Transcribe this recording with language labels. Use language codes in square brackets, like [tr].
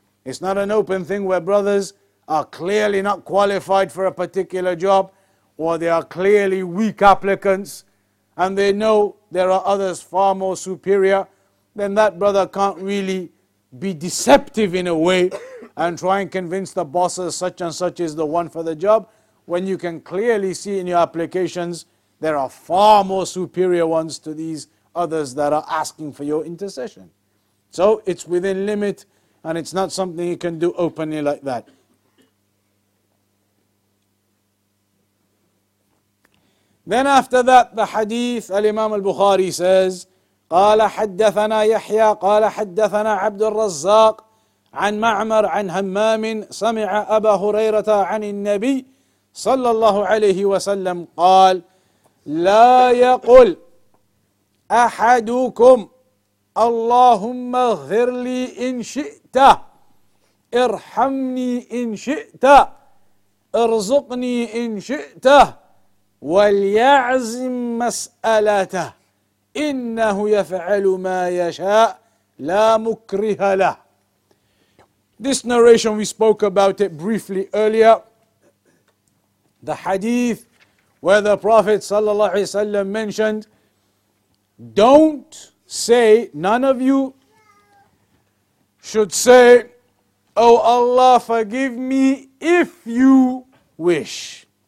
[en] It's not an open thing where brothers are clearly not qualified for a particular job, or they are clearly weak applicants, and they know there are others far more superior, then that brother can't really be deceptive in a way and try and convince the bosses such and such is the one for the job, when you can clearly see in your applications there are far more superior ones to these others that are asking for your intercession. So it's within limit, and it's not something you can do openly like that. Then after that, the hadith, Al-Imam Al-Bukhari says, [ar] قال حدثنا يحيى قال حدثنا عبد الرزاق عن معمر عن همام سمع أبا هريرة عن النبي صلى الله عليه وسلم قال لا يقل أحدكم اللهم اغفر لي إن شئت ارحمني إن شئت ارزقني إن شئت وليعزم مسألته إنه يفعل ما يشاء لا مكره له. [en] This narration, we spoke about it briefly earlier. The hadith where the Prophet sallallahu alaihi wasallam mentioned, don't say, none of you should say, oh Allah, forgive me if you wish.